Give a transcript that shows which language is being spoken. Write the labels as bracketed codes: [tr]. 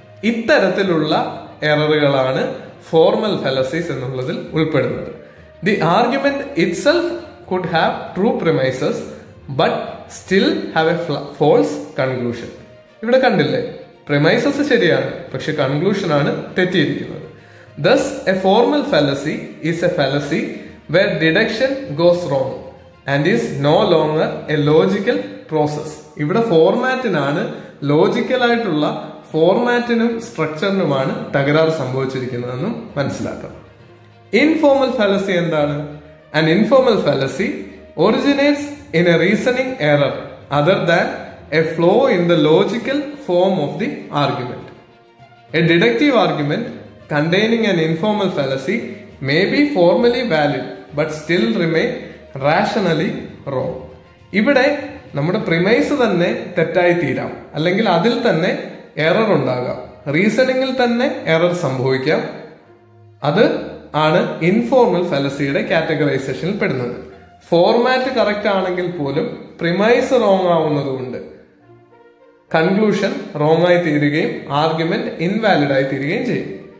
[ml] ഇത്തരത്തിലുള്ള എററുകളാണ് formal fallacies എന്നുള്ളതിൽ ഉൾപ്പെടുന്നത്. [en] The argument itself could have true premises but still have a false conclusion. [ml] ഇവിടെ കണ്ടില്ലേ, പ്രിമൈസസ് ശരിയാണ്, പക്ഷെ കൺക്ലൂഷൻ ആണ് തെറ്റിയിരിക്കുന്നത്. [en] Thus, a formal fallacy is a fallacy where deduction goes wrong and is no longer a logical process. [ml] ഇവിടെ ഫോർമാറ്റിനാണ്, logical ആയിട്ടുള്ള ഫോർമാറ്റിനും സ്ട്രക്ചറിനുമാണ് തകരാറ് സംഭവിച്ചിരിക്കുന്നതെന്നും മനസ്സിലാക്കാം. Informal fallacy എന്താണ്? [en] An informal fallacy originates in a reasoning error other than a flaw in the logical form of the argument. A deductive argument containing an informal fallacy may be formally valid but still remain rationally wrong. [ml] ഇവിടെ നമ്മുടെ premise തന്നെ തെറ്റായി തീരാം, അല്ലെങ്കിൽ അതിൽ തന്നെ error ഉണ്ടാകാം, റീസണിങ്ങിൽ തന്നെ error സംഭവിക്കാം. അത് ആണ് ഇൻഫോർമൽ ഫാലസിയുടെ കാറ്റഗറൈസേഷനിൽ പെടുന്നത്. ഫോർമാറ്റ് കറക്റ്റ് ആണെങ്കിൽ പോലും പ്രിമൈസ് റോങ് ആവുന്നതുകൊണ്ട് കൺക്ലൂഷൻ റോങ് ആയി തീരുകയും ആർഗ്യുമെന്റ് ഇൻവാലിഡ് ആയി തീരുകയും ചെയ്യും.